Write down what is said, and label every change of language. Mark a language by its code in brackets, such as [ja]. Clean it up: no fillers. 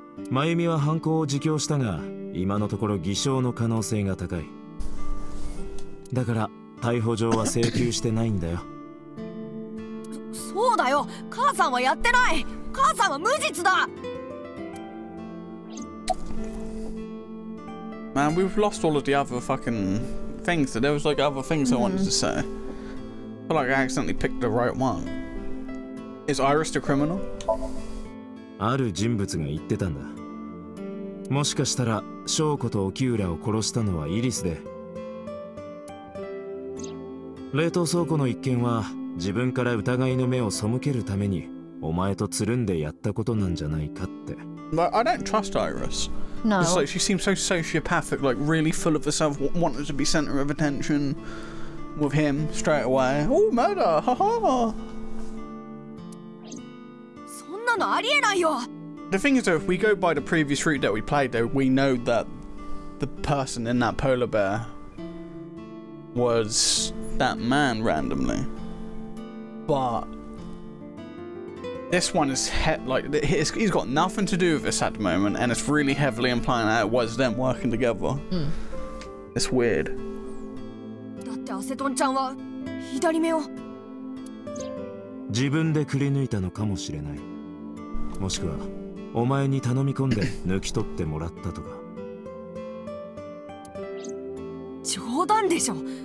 [ja] 真由美は犯行を自供したが、今のところ偽証の可能性が高い。だから、逮捕状は請求してないんだよ。そうだよ、母さんはやってない。母さんは無実だ。 [en] Man, we've lost all of the other fucking things. There was like other things I wanted to say, but like I accidentally picked the right one. Is Iris the criminal? [ja] ある人物が言ってたんだ。もしかしたら翔子とお給料を殺したのはイリスで、冷凍倉庫の一件は自分から疑いの目を背けるためにお前とつるんでやったことなんじゃないかって。 [en] But I don't trust Iris. No. It's like she seems so sociopathic, like really full of herself, wanting to be center of attention with him straight away. Oh, murder! Ha ha! [ja] そんなのありえないよ。 [en] The thing is, though, if we go by the previous route that we played, though, we know that the person in that polar bear was that man randomly, but this one is he's got nothing to do with this at the moment, and it's really heavily implying that it was them working together. It's weird. [ja] だってアセトンちゃんは左目を自分でくり抜いたのかもしれない。もしくはお前に頼み込んで抜き取ってもらったとか。冗談でしょ。